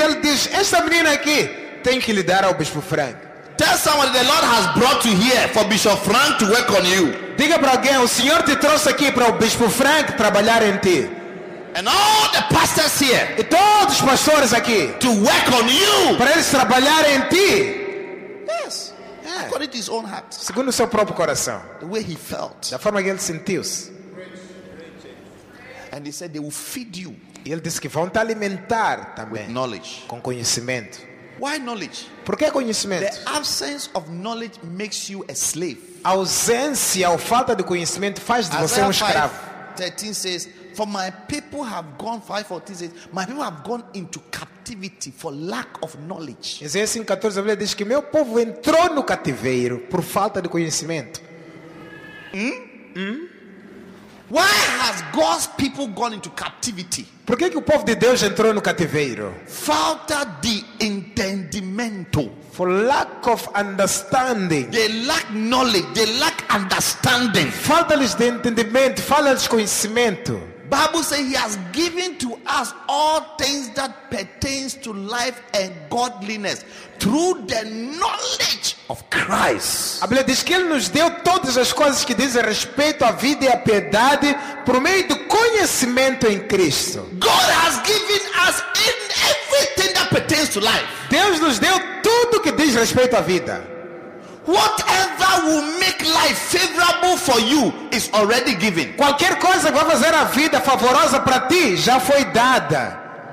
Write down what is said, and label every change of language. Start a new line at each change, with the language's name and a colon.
Portuguese: Ele diz, esta menina aqui tem que lhe dar ao Bispo Frank.
English: Tell someone the Lord has brought you here for Bishop Frank to work on you.
Portuguese: Diga para alguém, o Senhor te trouxe aqui para o Bispo Frank trabalhar em ti.
English: And all the pastors here.
Portuguese: E todos os pastores aqui.
English: To work on you.
Portuguese: Para eles trabalhar em ti.
English: Yes. Yeah. According to his own heart.
Portuguese: Segundo o seu próprio coração.
English: The way he felt.
Portuguese: Da forma que ele sentiu-se.
English: And he said they will feed you.
Portuguese: E ele disse que vão te alimentar também.
English: With knowledge.
Portuguese: Com conhecimento.
English: Why knowledge?
Portuguese: Por que conhecimento?
English: The absence of knowledge makes you a slave.
Portuguese: A ausência ou falta de conhecimento faz de você um escravo.
English: Isaiah 5:13 says, for my people have gone 5:14 says, my people have gone into captivity. captivity for lack of knowledge.
Portuguese: Isaías 5:14 ele diz que meu povo entrou no cativeiro por falta de conhecimento.
English: Why has God's people gone into captivity?
Portuguese: Por que que o povo de Deus entrou no cativeiro? Falta de entendimento.
English: For lack of understanding. They lack knowledge, they lack understanding.
Portuguese: Falta-lhes de entendimento, falta-lhes conhecimento.
English: Bible says he has given to us all things that pertains to life and godliness through the knowledge of Christ.
Portuguese: A Bíblia diz que ele nos deu todas as coisas que dizem respeito à vida e à piedade por meio do conhecimento em Cristo.
English: God has given us in everything that pertains to life.
Portuguese: Deus nos deu tudo que diz respeito à vida.
English: Whatever will make life favorable for you is already given.
Portuguese: Qualquer coisa que vai fazer a vida favorosa para ti já foi dada.